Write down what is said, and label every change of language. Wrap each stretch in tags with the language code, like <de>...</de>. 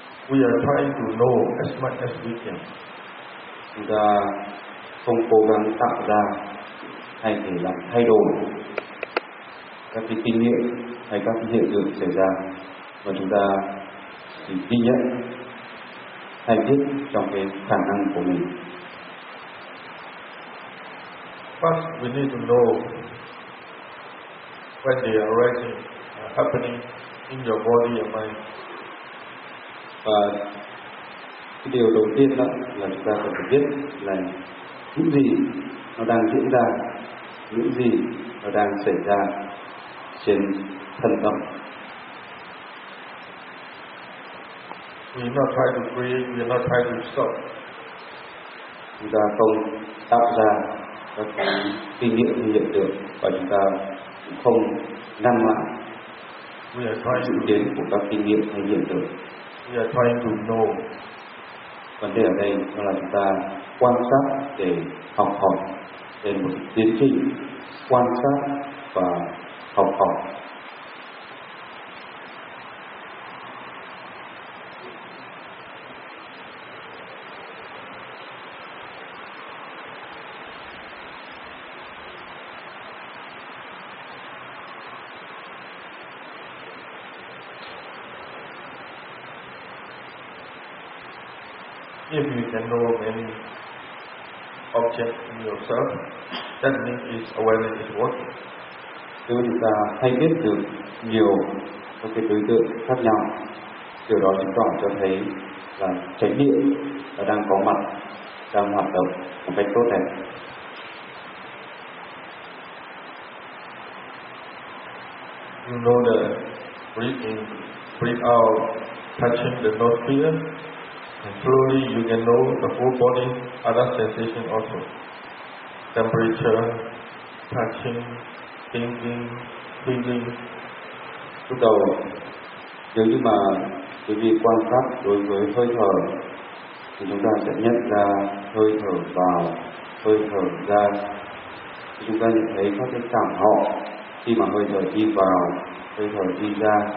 <en>We are trying to know as much as we can.</en> <vi>Chúng ta không cố gắng tạo ra hay để làm thay đổi các cái kinh nghiệm hay các cái hiện tượng xảy ra, mà chúng ta chỉ ghi nhận hay biết trong cái khả năng của mình.</vi> <en>First, we need to know when they are arising, happening in your body and mind.</en> <vi>Và cái điều đầu tiên đó là chúng ta phải biết là những gì nó đang diễn ra, những gì nó đang xảy ra trên thân tâm.</vi> <en>We are not trying to create, we are not trying to stop.</en> <vi>Chúng ta không tạo ra các cái kinh nghiệm hay hiện tượng, và chúng ta cũng không ngăn lại sự đến của các kinh nghiệm hay hiện tượng.</vi> <en>We are trying to know.</en> <vi>Vấn đề ở đây là chúng ta quan sát để học hỏi, để một tiến trình quan sát và học hỏi.</vi> <en>If you can know many objects in yourself, that means it's awareness is working.</en> <vi>Nếu chúng ta hay biết được nhiều các cái đối tượng khác nhau, điều đó chứng tỏ cho thấy là chánh niệm là đang có mặt, đang hoạt động một cách tốt đẹp.</vi> <en>You know the breathing, breathe out, touching the nostril. And slowly you can know the full body, other sensation also. Temperature, touching, thinking, feeling.</en> <vi>Lúc đầu, nếu như mà quý vị quan sát đối với hơi thở, thì chúng ta sẽ nhận ra hơi thở vào, hơi thở ra. Chúng ta nhận thấy các cái cảm họ khi mà hơi thở đi vào, hơi thở đi ra.</vi>